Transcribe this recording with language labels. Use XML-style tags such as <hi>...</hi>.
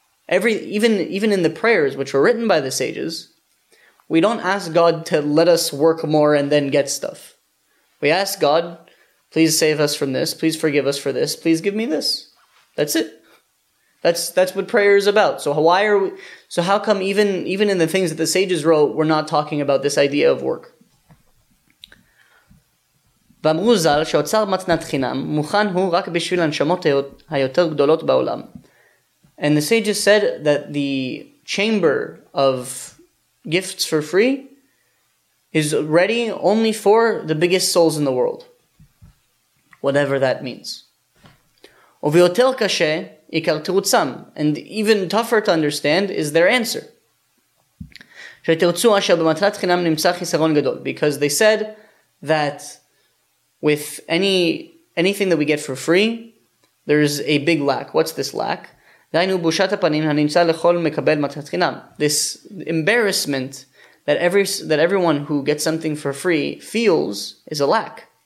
<en>Even in the prayers, which were written by the sages, we don't ask God to let us work more and then get stuff. We ask God, please save us from this. Please forgive us for this. Please give me this. That's it. That's what prayer is about. So why are we? So how come even in the things that the sages wrote, we're not talking about this idea of work?</en> <he>ואמרו זל שאוצר מתנת חינם מוכן הוא רק בשביל הנשמות היותר גדולות בעולם.</he> <en>And the sages said that the chamber of gifts for free is ready only for the biggest souls in the world. Whatever that means.</en> <he>וביותר קשה, עיקר תרוצם.</he> <en>And even tougher to understand is their answer.</en> <he>שתרצו אשר במתנת חינם נמצא חיסרון גדול.</he> <en>Because they said that with anything that we get for free, there's a big lack. What's this lack? This embarrassment that everyone who gets something for free feels is a lack.</en>